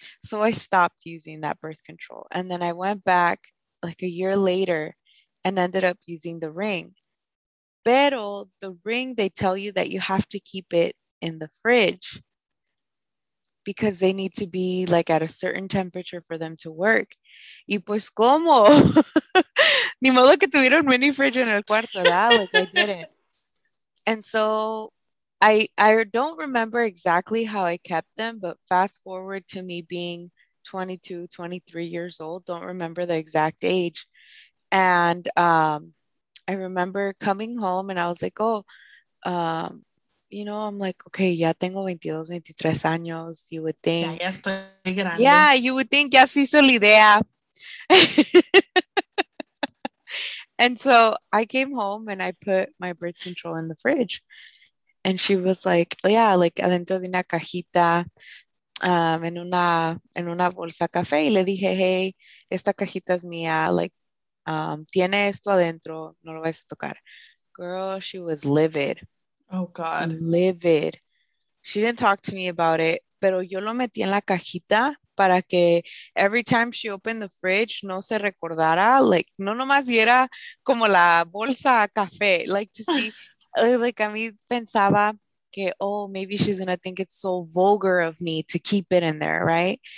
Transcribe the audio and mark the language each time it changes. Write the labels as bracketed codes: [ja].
[en] So I stopped using that birth control, and then I went back like a year later and ended up using the ring. Pero the ring, they tell you that you have to keep it in the fridge because they need to be like at a certain temperature for them to work. [es] Y pues como? Ni modo que tuvieron mini fridge en el cuarto, ¿verdad? [en] Like I didn't. And so I don't remember exactly how I kept them, but fast forward to me being 22, 23 years old, don't remember the exact age. And I remember coming home and I was like, oh, you know, I'm like, okay, [es] ya tengo 22, 23 años, [en] you would think. [es] Ya estoy grande. [en] Yeah, you would think, [es] ya se hizo la idea. [en] And so I came home and I put my birth control in the fridge. And she was like, oh, yeah, like [es] adentro de una cajita, en una bolsa café. Y le dije, [en] hey, [es] esta cajita es mía, like, tiene esto adentro, no lo vas a tocar. [en] Girl, she was livid. Oh, God. Livid. She didn't talk to me about it, [es] pero yo lo metí en la cajita para que [en] every time she opened the fridge, [es] no se recordara, like, no nomás diera como la bolsa café, [en] like, to see, like, [es] a mí pensaba que, [en] oh, maybe she's gonna think it's so vulgar of me to keep it in there, right?